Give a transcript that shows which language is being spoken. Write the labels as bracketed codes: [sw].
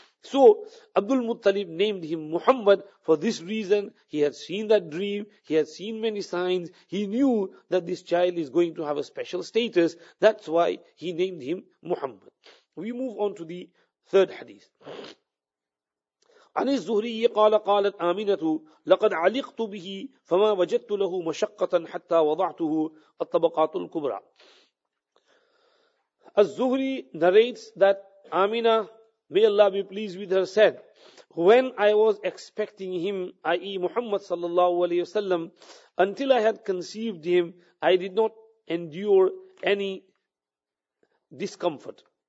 [en] So, Abdul Muttalib named him Muhammad for this reason. He had seen that dream, he had seen many signs, he knew that this child is going to have a special status, that's why he named him Muhammad. We move on to the third hadith. [ar] عن الزهري قال قالت آمنة لقد علقت به فما وجدت له مشقة حتى وضعته الطبقات الكبرى. [en] الزهري narrates that Amina, may Allah be pleased with her, said, when I was expecting him, i.e. Muhammad sallallahu alayhi wasallam, until I had conceived him, I did not endure any discomfort.